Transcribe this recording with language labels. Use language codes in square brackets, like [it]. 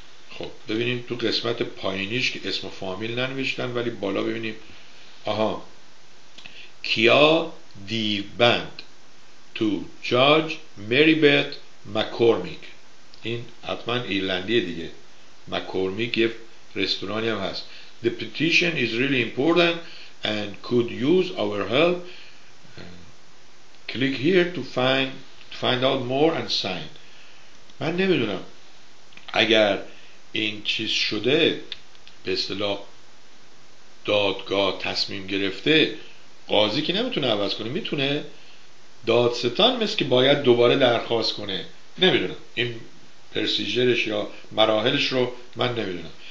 [fa] خب ببینیم تو قسمت پایینیش که اسم و فامیل ننوشتن، ولی بالا ببینیم. آها، کیا دیوبند تو جاج مری بیت مکورمیک. این حتما ایرلندی دیگه، مکورمیک یه رستورانی هم هست. [en] The petition is really important and could use our help. Click here to find out more and sign. [fa] من نمیدونم اگر این چیز شده، به اصطلاح دادگاه تصمیم گرفته، قاضی که نمیتونه عوض کنه، میتونه دادستان مثل که باید دوباره درخواست کنه. نمیدونم این پرسیجرش یا مراحلش رو من نمیدونم.